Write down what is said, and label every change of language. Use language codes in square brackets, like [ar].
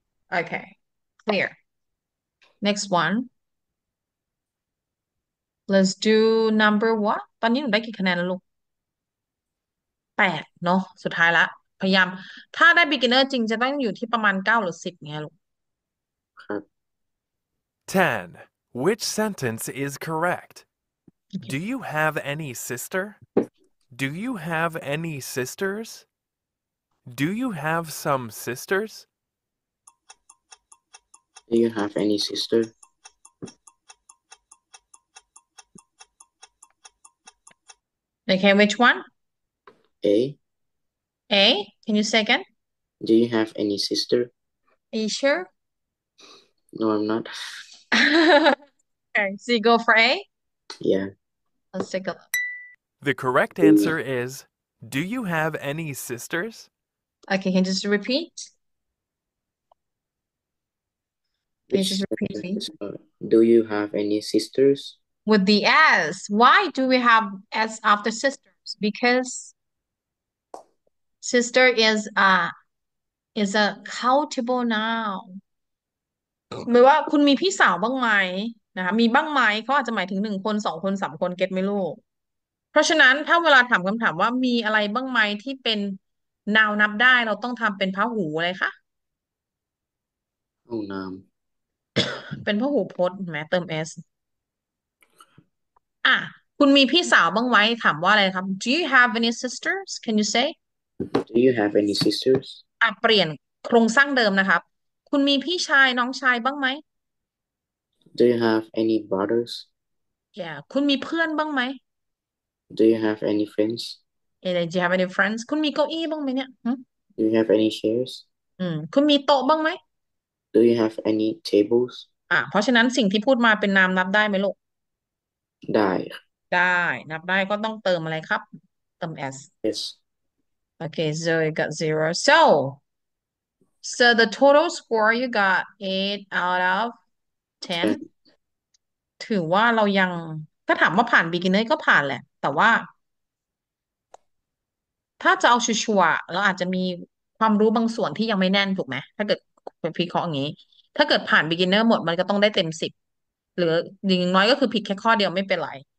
[th] โอเค [en] clear next one let's do number what [th] ตอนนี้หนูได้กี่คะแนนแล้วลูกแปดเนาะสุดท้ายละพยายามถ้าได้ beginner จริงจะต้องอยู่ที่ประมาณ9 หรือ 10เนี่ยลูก [en] 10. Which sentence is correct? Do you have any sister? Do you have any sisters? Do you have some sisters? Do you have any sister? Okay, which one? A. A? Can you say again? Do you have any sister? Are you sure? No, I'm not. Okay, so you go for A? Yeah. Let's take a look. The correct answer is, do you have any sisters? Okay, can you just repeat? Can you Which just repeat, please? do you have any sisters? With the S, why do we have S after sisters? Because sister is a countable noun. [th] หมายว่าคุณมีพี่สาวบ้างไหมนะคะมีบ้างไหมเขาอาจจะหมายถึง1 คน2 คน3 คนเก็ตไม่รู้เพราะฉะนั้นถ้าเวลาถามคำถามว่ามีอะไรบ้างไหมที่เป็นนาวนับได้เราต้องทำเป็นพหูอะไรคะ ห้องน้ เป็นพหูพจน์แม้เติม S อ่ะคุณมีพี่สาวบ้างไหมถามว่าอะไรครับ [en] Do you have any sisters Can you say ำ Do you have any sisters? [th] อ่ะเปลี่ยนโครงสร้างเดิมนะครับคุณมีพี่ชายน้องชายบ้างไหม [en] Do you have any brothers? [th] yeah คุณมีเพื่อนบ้างไหม [en] Do you have any friends? do you have any friends [th] คุณมีเก้าอี้บ้างไหมเนี่ย [en] Do you have any chairs? [th] คุณมีโต๊ะบ้างไหม [en] Do you have any tables? [th] เพราะฉะนั้นสิ่งที่พูดมาเป็นนามนับได้ไหมลูก ได้ ได้นับได้ก็ต้องเติมอะไรครับเติม s [en] Yes. okay so you got 0 so the total score you got 8 out of 10 10. [th] ถือว่าเรายังถ้าถามว่าผ่าน beginner ก็ผ่านแหละแต่ว่าถ้าจะเอาชัวร์เราอาจจะมีความรู้บางส่วนที่ยังไม่แน่นถูกไหมถ้าเกิดวิเคราะห์อย่างนี้ถ้าเกิดผ่าน beginner หมดมันก็ต้องได้เต็ม10หรืออย่างน้อยก็คือผิดแค่ข้อเดียวไม่เป็นไร